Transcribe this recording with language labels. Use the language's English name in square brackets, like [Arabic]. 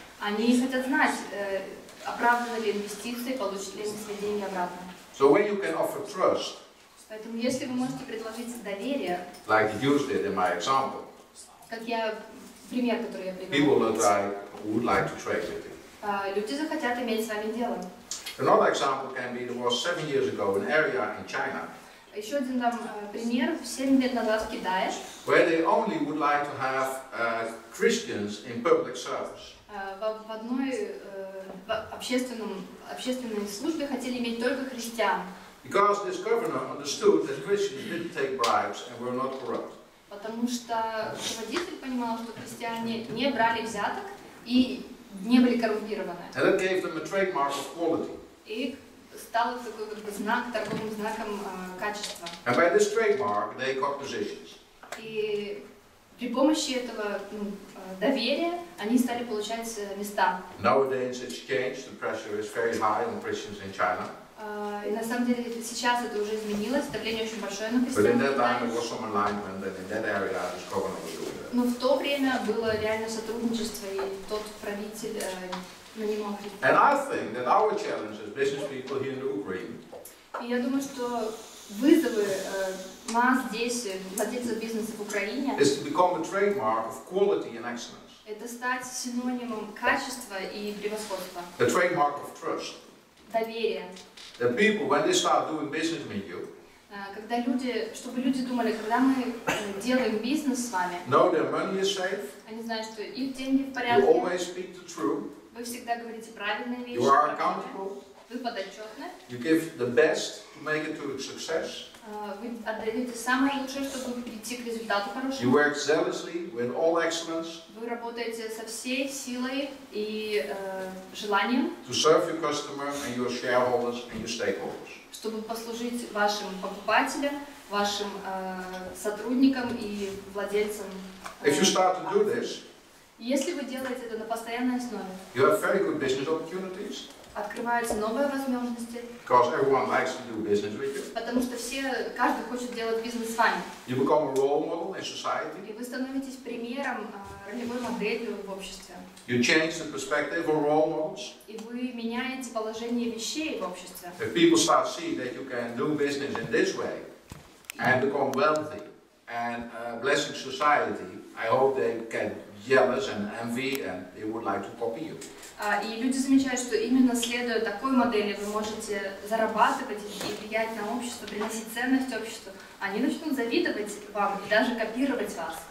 [Russian] Они хотят знать. Оправданы ли инвестиции, получит ли они свои деньги обратно. [English] So when you can offer trust, [Russian] поэтому если вы можете предложить доверие, [English] like you did in my example, [Russian] как я, пример, который я приведу, [English] people that I would like to trade with you. [Russian] Люди захотят иметь с вами дело. [English] Another example can be, there was 7 years ago an area in China. [Russian] Еще один там пример, 7 лет назад в Китае, [English] where they only would like to have Christians in public service. [Russian] В одной общественной службе хотели иметь только христиан. [English] Because this governor understood that Christians didn't take bribes and were not corrupt. [Russian] Потому что руководитель понимал, что христиане не брали взяток и не были коррумпированы. [English] And it gave them a trademark of quality. [Russian] И стало такой как бы знак, торговым знаком качества. [English] And by this trademark, they got positions. [Russian] И при помощи этого доверия они стали получать места. [English] Nowadays it's changed. The pressure is very high on Christians in China. [Russian] И на самом деле сейчас это уже изменилось. Давление очень большое на христиан. [English] But in that time it was some alignment, and in that area this governor was doing that. [Russian] Но в то время было реально сотрудничество, и тот правитель нанимал христиан. [English] And I think that our challenge as business people here in the Ukraine. [Russian] И я думаю, что вызовы нас здесь, владельцев бизнеса в Украине, [English] is to become a trademark of quality and excellence. [Russian] Это стать синонимом качества и превосходства. [English] The trademark of trust. [Russian] Доверие. [English] The people, when they start doing business with you, [Russian] когда люди, чтобы люди думали, когда мы делаем бизнес с вами, [English] know their money is safe, [Russian] они знают, что их деньги в порядке, [English] you always speak the truth, [Russian] вы всегда говорите правильные вещи, [English] you are accountable, [Russian] вы подотчетны. [English] You give the best to make it to a success. [Russian] Вы отдаете самое лучшее, чтобы прийти к результату хорошему. [English] You work zealously with all excellence. [Russian] Вы работаете со всей силой и желанием. [English] To serve your customer and your shareholders and your stakeholders. [Russian] Чтобы послужить вашим покупателям, вашим сотрудникам и владельцам. [English] If you start to do this, [Russian] если вы делаете это на постоянной основе, [English] you have very good business opportunities. [Russian] Открываются новые возможности. [English] Because everyone likes to do business with you. [Russian] Потому что все, каждый хочет делать бизнес с вами. [English] You become a role model in society. [Russian] И вы становитесь примером, ролевой моделью в обществе. [English] You change the perspective of role models. [Russian] И вы меняете положение вещей в обществе. [English] If people start seeing that you can do business in this way and become wealthy and blessing society, I hope they can jealous and envy and they would like to copy you. [Russian] И люди замечают, что именно следуя такой модели вы можете зарабатывать и влиять на общество, приносить ценность обществу. Они начнут завидовать вам и даже копировать вас.